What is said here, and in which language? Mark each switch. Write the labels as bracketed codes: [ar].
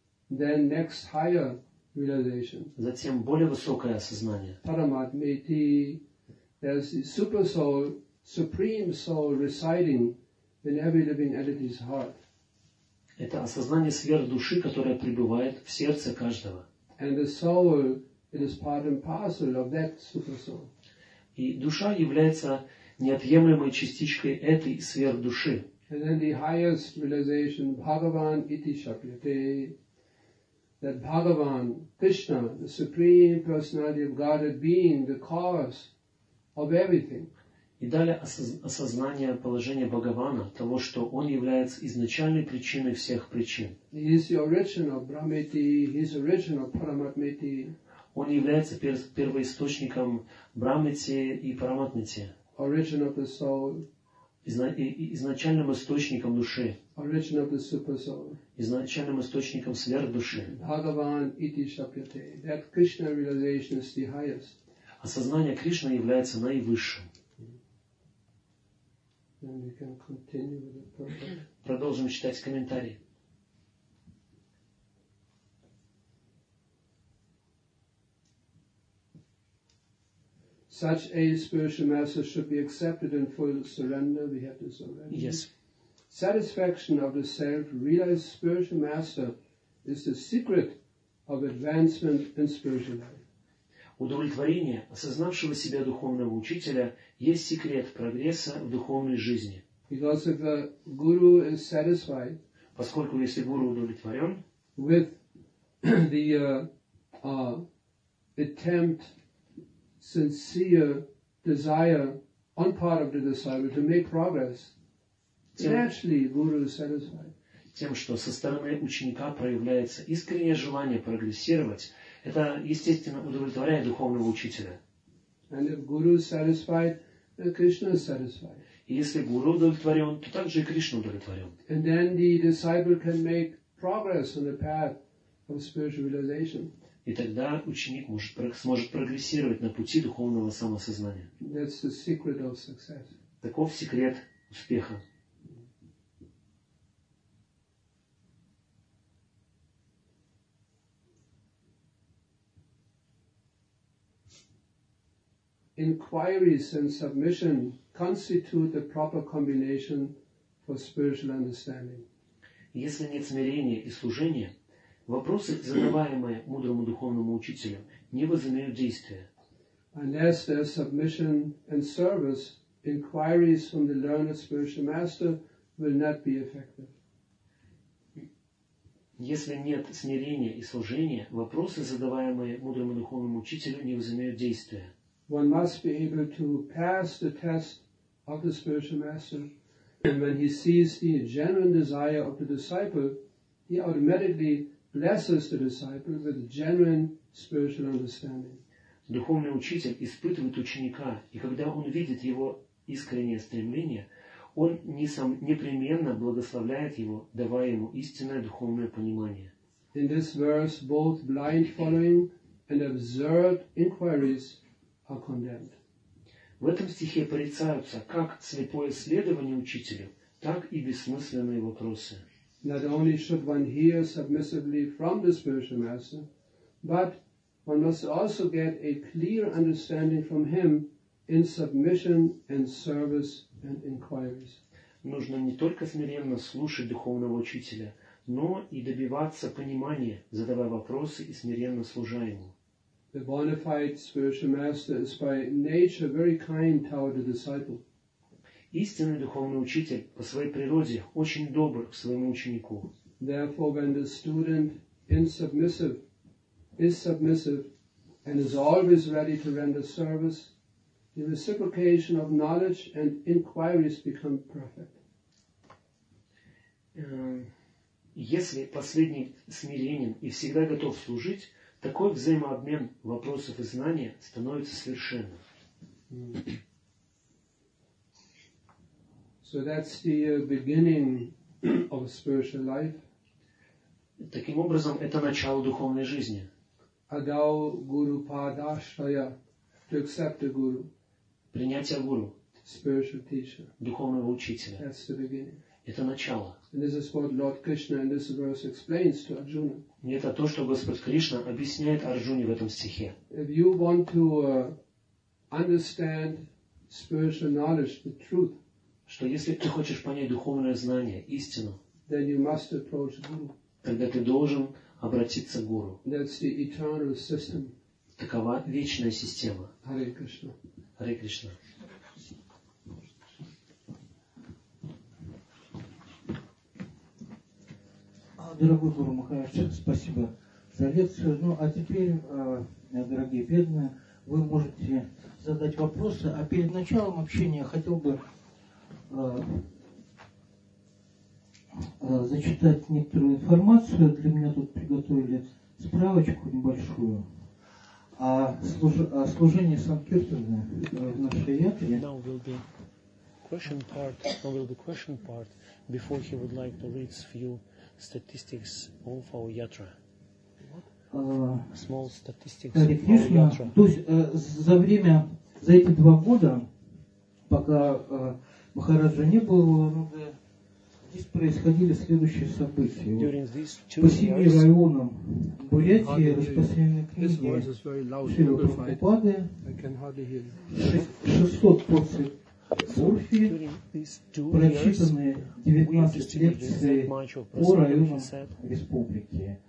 [en] Then next higher realization, [ru] затем более высокое осознание. [en] Paramatmeti, there's the super soul, supreme soul residing in every living entity's heart. [ru] Это осознание сверхдуши, которое пребывает в сердце каждого. [en] And the soul, it is part and parcel of that super soul. [ru] И душа является неотъемлемой частичкой этой сверхдуши. [en] And then the highest realization, [sa] Bhagavan iti shapyate, [en] that Bhagavan, Krishna, the supreme personality of Godhead being, the cause of everything. [ru] И далее осознание положения Бхагавана, того, что он является изначальной причиной всех причин. [en] He is the origin of Brahmeti, he is the origin of Paramatmeti. [ru] Он является первоисточником Брахмати и Параматмати. [en] Origin of the soul. [ru] Изначальным источником души. [en] Origin of the super soul. [ru] Изначальным источником сверхдуши. [sa] Bhagavan iti shapyate. [en] That Krishna realization is the highest. [ru] Осознание Кришны является наивысшим. [en] And we can continue with the purport. [ru] Продолжим читать комментарии. [en] Such a spiritual master should be accepted in full surrender. We have this already. Yes. Satisfaction of the self-realized spiritual master is the secret of advancement in spiritual life. [ru] Удовлетворение осознавшего себя духовного учителя есть секрет прогресса в духовной жизни. [en] Because if a guru is satisfied, [ru] поскольку если гуру удовлетворен, [en] with the attempt, sincere desire on part of the disciple to make progress, then actually guru is satisfied. [ru] Тем, что со стороны ученика проявляется искреннее желание прогрессировать, это, естественно, удовлетворяет духовного учителя. [en] And if guru is satisfied, then Krishna is satisfied. [ru] И если гуру удовлетворен, то также и Кришна удовлетворен. [en] And then the disciple can make progress on the path of spiritual realization. [ru] И тогда ученик сможет прогрессировать на пути духовного самосознания. [en] That's the secret of success. [ru] Таков секрет успеха. [en] Inquiries and submission constitute the proper combination for spiritual understanding. [ru] Если нет смирения и служения, вопросы, задаваемые мудрому духовному учителю, не возымеют действия. [en] Unless there is submission and service, inquiries from the learned spiritual master will not be effective. [ru] Если нет смирения и служения, вопросы, задаваемые мудрому духовному учителю, не возымеют действия. [en] One must be able to pass the test of the spiritual master, and when he sees the genuine desire of the disciple, he automatically blesses the disciple with genuine spiritual understanding. [ru] Духовный учитель испытывает ученика, и когда он видит его искреннее стремление, он непременно благословляет его, давая ему истинное духовное понимание. [en] In this verse, both blind following and absurd inquiries are condemned. [ru] В этом стихе порицаются как слепое следование учителю, так и бессмысленные вопросы. [en] Not only should one hear submissively from the spiritual master, but one must also get a clear understanding from him in submission and service and inquiries. [ru] Нужно не только смиренно слушать духовного учителя, но и добиваться понимания, задавая вопросы и смиренно служа ему. [en] The bona fide spiritual master is by nature very kind toward the disciple. [ru] Истинный духовный учитель по своей природе очень добр к своему ученику. [en] Therefore, when the student is submissive and is always ready to render service, the reciprocation of knowledge and inquiries become perfect. [ru] Если последний смиренен и всегда готов служить, такой взаимообмен вопросов и знания становится совершенным. [en] So that's the beginning of spiritual life. [ru] Таким образом, это начало духовной жизни. [sa] Adau guru padashraya, [en] to accept the guru. [ru] Принятие гуру. [en] Spiritual teacher. [ru] Духовного учителя. [en] That's the beginning. [ru] Это начало. [en] And this is what Lord Krishna in this verse explains to Arjuna. [ru] И это то, что Господь Кришна объясняет Арджуне в этом стихе. [en] If you want to understand spiritual knowledge, the truth, [ru] что если ты хочешь понять духовное знание, истину, [en] then you must approach guru. [ru] Тогда ты должен обратиться к гуру. [en] That's the eternal system. [ru] Такова вечная система. [en] Hare Krishna. [ru] Hare Krishna. Дорогой Гуру Махарадж, спасибо за лекцию. Ну, а теперь, дорогие бедные, вы можете задать вопросы. А перед началом общения я хотел бы зачитать некоторую информацию. Для меня тут приготовили справочку небольшую о служении Санкиртаны в нашей ятре. [en] Question part before he would like to read few statistics of our yatra. Small statistics of our yatra. [ru] Конечно, то есть за время, за эти два года, пока Махараджа не был, здесь происходили следующие события. По семи районам Бурятии распространены книги Шрилы Прабхупады, 600 порций Урфи, прочитанные 19 лекций по районам республики.